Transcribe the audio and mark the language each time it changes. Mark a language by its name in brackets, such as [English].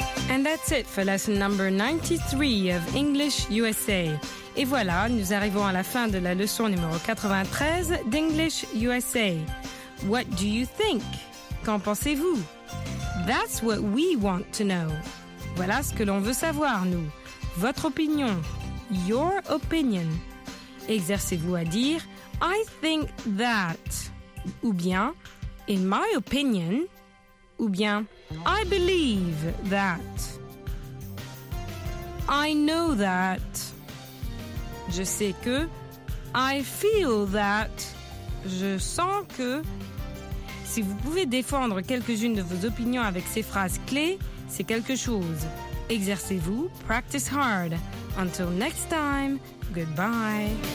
[English] And that's it for lesson number 93 of English USA. [French] Et voilà, nous arrivons à la fin de la leçon numéro 93 d'English USA. [English] What do you think? [French] Qu'en pensez-vous? [English] That's what we want to know. [French] Voilà ce que l'on veut savoir, nous. Votre opinion. [English] Your opinion. [French] Exercez-vous à dire [English] I think that. [French] Ou bien [English] In my opinion. [French] Ou bien [English] I believe that. I know that. [French] Je sais que [English] I feel that. [French] Je sens que... Si vous pouvez défendre quelques-unes de vos opinions avec ces phrases clés, c'est quelque chose. Exercez-vous, [English] practice hard. Until next time, goodbye.